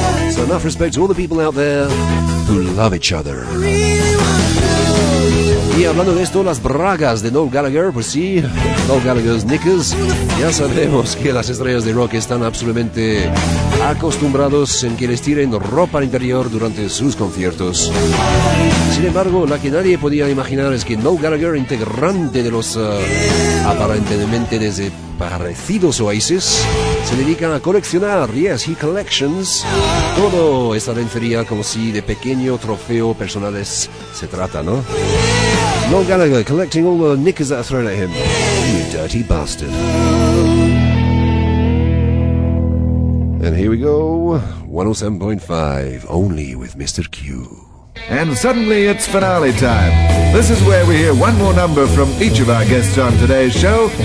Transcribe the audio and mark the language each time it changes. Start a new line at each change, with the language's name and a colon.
English: So enough respect to all the people out there who love each other.
Spanish: Y hablando de esto, las bragas de Noel Gallagher, pues sí,
English: Noel Gallagher's knickers.
Spanish: Ya sabemos que las estrellas de rock están absolutamente acostumbrados en que les tiren ropa al interior durante sus conciertos. Sin embargo, la que nadie podía imaginar es que Noel Gallagher, integrante de los aparentemente desaparecidos Oasis, se dedica a coleccionar,
English: yes, he collections,
Spanish: todo esta lencería como si de pequeño trofeo personales se trata, ¿no?
English: Noel Gallagher collecting all the knickers that are thrown at him. You dirty bastard. And here we go. 107.5, only with Mr. Q. And suddenly it's finale time. This is where we hear one more number from each of our guests on today's show.